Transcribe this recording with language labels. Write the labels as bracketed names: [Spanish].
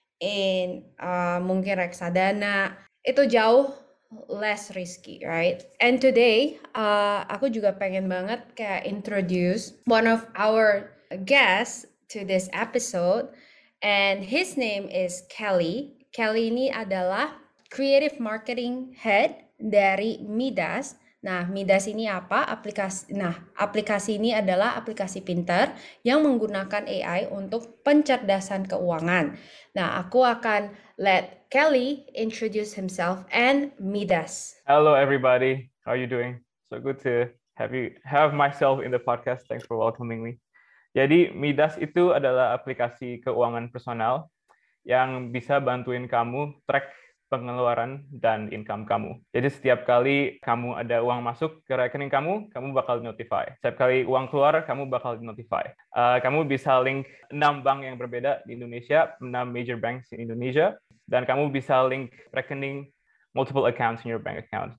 [Indonesian] in mungkin reksadana, itu jauh [English] less risky, right? And today, [Indonesian] aku juga pengen banget kayak [English] introduce one of our guests to this episode, and his name is Kelly. [Indonesian] Kelly ini adalah Creative Marketing Head dari Midas. Nah, Midas ini apa? Aplikasi ini adalah aplikasi pintar yang menggunakan AI untuk pencerdasan keuangan. Nah, aku akan [English] let Kelly introduce himself and Midas. Hello everybody. How are you doing? So good to have myself in the podcast. Thanks for welcoming me. [Indonesian] Jadi, Midas itu adalah aplikasi keuangan personal yang bisa bantuin kamu track pengeluaran dan income kamu. Jadi setiap kali kamu ada uang masuk ke rekening kamu, kamu bakal notify. Setiap kali uang keluar, kamu bakal notify. Kamu bisa link 6 bank yang berbeda di Indonesia, [English] 6 major banks [Indonesian] di Indonesia, dan kamu bisa link rekening [English] multiple accounts in your bank account.